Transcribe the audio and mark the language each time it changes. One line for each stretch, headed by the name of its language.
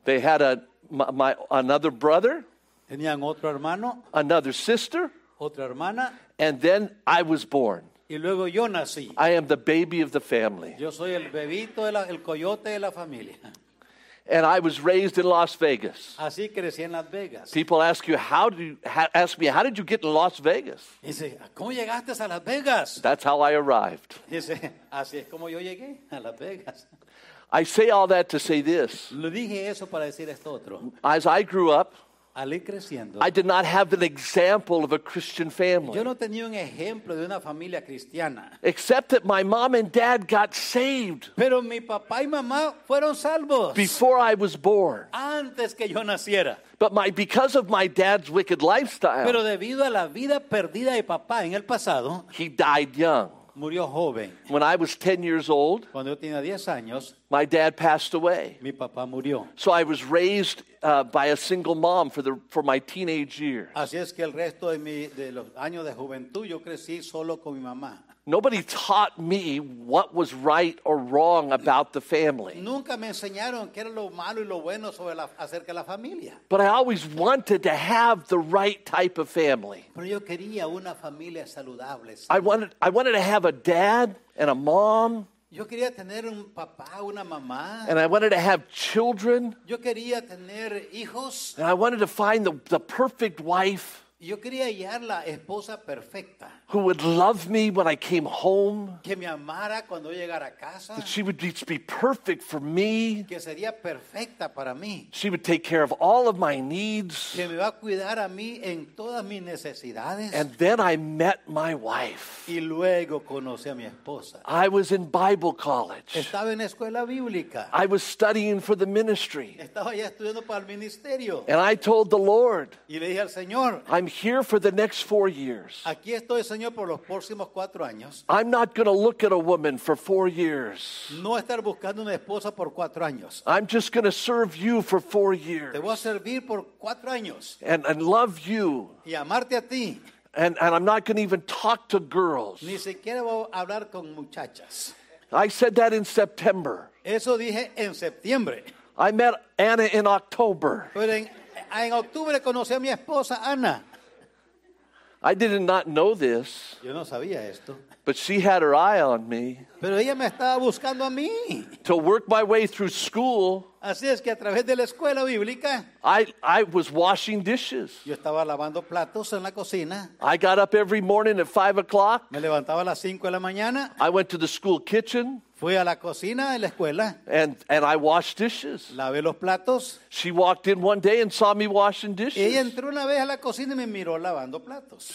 English: They had my another brother.
Spanish: Tenían otro hermano.
English: Another sister.
Spanish: Otra hermana.
English: And then I was born.
Spanish: Y luego yo nací.
English: I am the baby of the family.
Spanish: Yo soy el bebito, el coyote de la familia.
English: And I was raised in Las Vegas.
Spanish: Así crecí en Las Vegas.
English: People ask you, how did you get to Las Vegas?
Spanish: Dice, ¿cómo llegaste a Las Vegas?
English: That's how I arrived.
Spanish: Dice, así es como yo llegué a Las Vegas.
English: I say all that to say this.
Spanish: Lo dije eso para decir esto otro.
English: As I grew up,
Spanish: al ir creciendo,
English: I did not have an example of a Christian family.
Spanish: Yo no tenía un ejemplo de una familia cristiana.
English: Except that my mom and dad got saved.
Spanish: Pero mi papá y mamá fueron salvos.
English: Before I was born.
Spanish: Antes que yo naciera.
English: But because of my dad's wicked lifestyle.
Spanish: Pero debido a la vida perdida de papá en el pasado.
English: He died young.
Spanish: Murió joven.
English: When I was 10 years old,
Spanish: cuando yo tenía 10 años,
English: my dad passed away.
Spanish: Mi papá murió.
English: So I was raised by a single mom for my teenage years.
Spanish: Así es que el resto de los años de juventud yo crecí solo con mi mamá.
English: Nobody taught me what was right or wrong about the family.
Spanish: Nunca me enseñaron qué era lo malo y lo bueno sobre la, acerca de la familia.
English: But I always wanted to have the right type of family.
Spanish: Pero yo quería una familia saludable.
English: I wanted to have a dad and a mom.
Spanish: Yo quería tener un papá, una mamá.
English: And I wanted to have children.
Spanish: Yo quería tener hijos.
English: And I wanted to find the perfect wife.
Spanish: Yo quería hallar la esposa perfecta.
English: Who would love me when I came home.
Spanish: Que me amara cuando llegara a casa.
English: That she would be perfect for me.
Spanish: Que sería perfecta para mí.
English: She would take care of all of my needs.
Spanish: Que me va a cuidar a mí en todas mis necesidades.
English: And then I met my wife.
Spanish: Y luego conocí a mi esposa.
English: I was in Bible college.
Spanish: Estaba en escuela bíblica.
English: I was studying for the ministry.
Spanish: Estaba ya estudiando para el ministerio.
English: And I told the Lord.
Spanish: Y le dije al Señor.
English: I'm here for the next 4 years.
Spanish: Aquí estoy, Señor, por los próximos 4 años.
English: I'm not going to look at a woman for 4 years.
Spanish: No estar buscando una esposa por 4 años.
English: I'm just going to serve you for 4 years.
Spanish: Te voy a servir por 4 años.
English: And love you.
Spanish: Y amarte a ti.
English: And I'm not going to even talk to girls.
Spanish: Ni siquiera voy a hablar con muchachas.
English: I said that in September.
Spanish: Eso dije en septiembre.
English: I met Anna in October.
Spanish: Pero en octubre conocí a mi esposa, Anna.
English: I did not know this.
Spanish: Yo no sabía esto.
English: But she had her eye on me.
Spanish: Pero ella me estaba buscando a mí.
English: To work my way through school.
Spanish: Así es que a través de la escuela bíblica.
English: I was washing dishes.
Spanish: Yo estaba lavando platos en la cocina.
English: I got up every morning at 5 o'clock.
Spanish: Me levantaba a las 5 de la mañana.
English: I went to the school kitchen.
Spanish: Fui a la cocina de la escuela.
English: And I washed dishes.
Spanish: Lavé los platos.
English: She walked in one day and saw me washing dishes.
Spanish: Ella entró una vez a la cocina y me miró lavando platos.